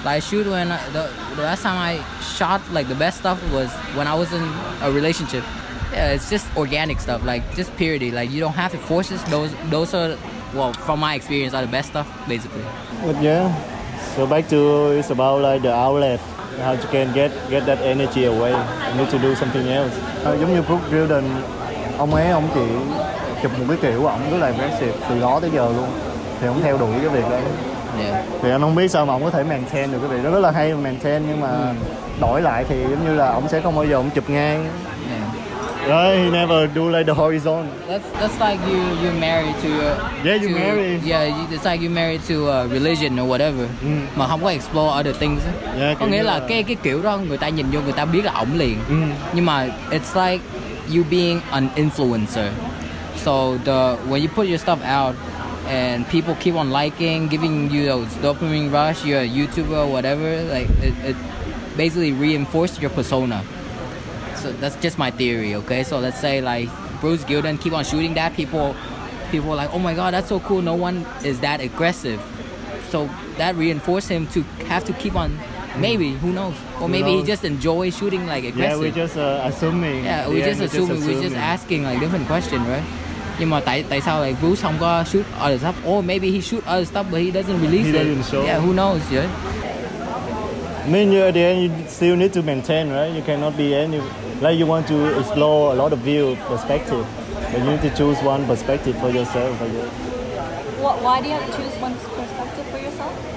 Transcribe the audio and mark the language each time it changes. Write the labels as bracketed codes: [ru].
[en] Like I shoot when the last time I shot like the best stuff was when I was in a relationship. Yeah, it's just organic stuff, like just purity. Like you don't have to force it. Those are, well, from my experience, are the best stuff basically. But yeah, so back to it's about like the outlet. How you can get that energy away. You need to do something else. [vi] Giống như Brooke Gilden, ông ấy, ông chỉ chụp một cái kiểu ổng rất là aggressive từ đó tới giờ luôn. Thì ông theo đuổi cái việc đó. [en] Yeah. [vi] Thì anh không biết sao mà ông có thể maintain được cái việc đó. Rất là hay maintain, nhưng mà đổi lại thì giống như là ông sẽ không bao giờ ông chụp ngang. [en] Right, he never do like the horizon. That's like you married to it's like you married to a religion or whatever. Mm. [vi] Mà không có [en] explore other things. Yeah, [vi] có nghĩa là cái kiểu đó người ta nhìn vô người ta biết là ổng liền. Mm. Nhưng mà [en] it's like you being an influencer. So the when you put your stuff out and people keep on liking, giving you those dopamine rush, you're a YouTuber or whatever, like it basically reinforced your persona. So that's just my theory, okay? So let's say like Bruce Gilden keep on shooting that, people are like, oh my god, that's so cool, no one is that aggressive. So that reinforced him to have to keep on, maybe, who knows? Or maybe he just enjoys shooting like aggressive. Yeah, we're just asking like different questions, right? [vi] Nhưng mà tại sao like Bruce không có [en] shoot other stuff? Or maybe he shoot other stuff but he doesn't release it. Yeah, who knows, yeah? I mean, at the end, you still need to maintain, right? You cannot be any... Like, you want to explore a lot of view perspective, but you need to choose one perspective for yourself. Why do you have to choose one perspective for yourself?